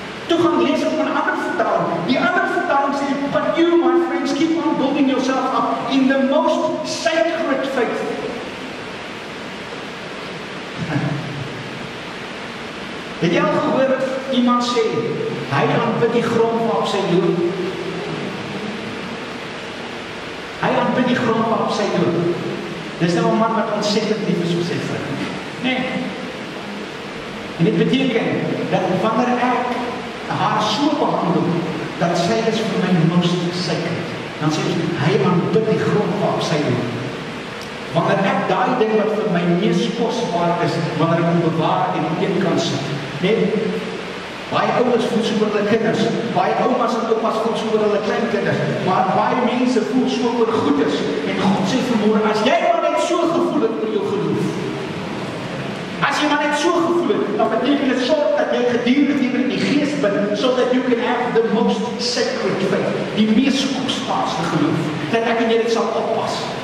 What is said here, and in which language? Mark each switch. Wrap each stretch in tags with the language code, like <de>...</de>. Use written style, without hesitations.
<af>Toe gaan lees op een ander vertaling. Die ander vertaling sê,</af> <en>but you, my friends, keep on building yourself up in the most sacred faith.</en> <af>Het jy al gehoor wat iemand sê, hy aanbid die grond waarop sy loop. Hy aanbid die grond waarop sy loop. Dit is nou een man wat ontzettend lief is om sy vrou. Nee. En dit beteken, dat wanneer ek haar so behandel, dat sy is vir my</af> <en>most sacred.</en> <af>Dan sê sy, hy aanbid die grond waarop sy lê. Wanneer ek daai ding wat vir my mees kosbaar is, wanneer ek moet bewaar en op een kant sit. Net, baie ouers voel so oor hulle kinders, baie oumas en oupas voel so oor hulle kleinkinders, maar baie mense voel so oor goedes, en God sê vanmôre, as jy maar net so gevoel het oor jou geloof, as jy maar net so gevoel het, dan beteken dit sorg dat jy gedurig teenoor die Gees bid,</af> <en>so that you can have the most sacred faith,</en> <af>die mees kosbaarste geloof, dat ek en jy dit sal oppas.</af>